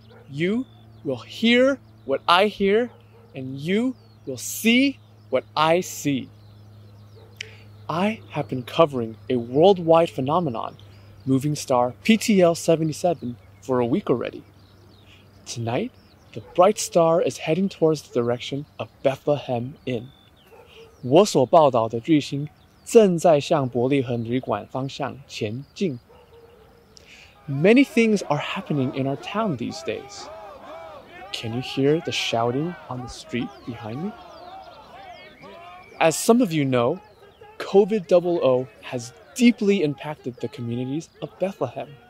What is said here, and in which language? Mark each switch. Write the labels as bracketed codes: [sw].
[en] You will hear what I hear, and you will see what I see. I have been covering a worldwide phenomenon, moving star PTL-77, for a week already. Tonight, the bright star is heading towards the direction of Bethlehem Inn. [zh] 我所报道的巨星正在向伯利恒旅馆方向前进. [en] Many things are happening in our town these days. Can you hear the shouting on the street behind me? As some of you know, COVID-00 has deeply impacted the communities of Bethlehem.